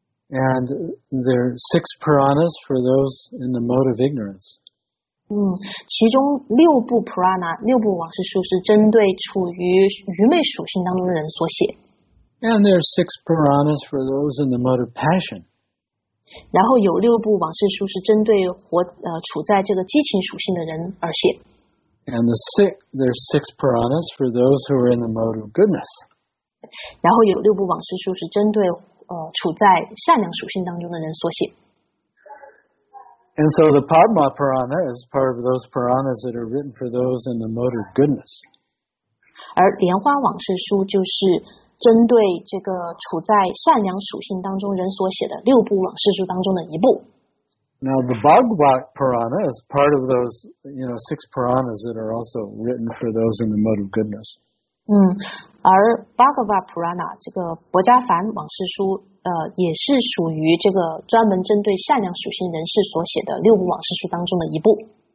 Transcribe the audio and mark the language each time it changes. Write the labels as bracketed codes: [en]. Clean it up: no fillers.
[en] And there are 6 Puranas for those in the mode of ignorance. [zh] 其中6部 Purana, 6部往事书是针对处于愚昧属性当中的人所写。 [en] And there are 6 Puranas for those in the mode of passion. [zh] 然后有6部往事书是针对处在这个激情属性的人而写。 [en] And there are 6 Puranas for those who are in the mode of goodness. [zh] 然后有6部往事书是针对处在善良属性当中的人所写。 [en] And so the Padma Purana is part of those Puranas that are written for those in the mode of goodness. [zh] 而莲花往事书就是针对这个处在善良属性当中人所写的6部往事书当中的一部。 [en] Now the Bhagavat Purana is part of those, you know, 6 Puranas that are also written for those in the mode of goodness. [zh] 而 Bhagavat Purana 这个薄伽梵往事书也是属于这个专门针对善良属性人士所写的6部往事书当中的一部。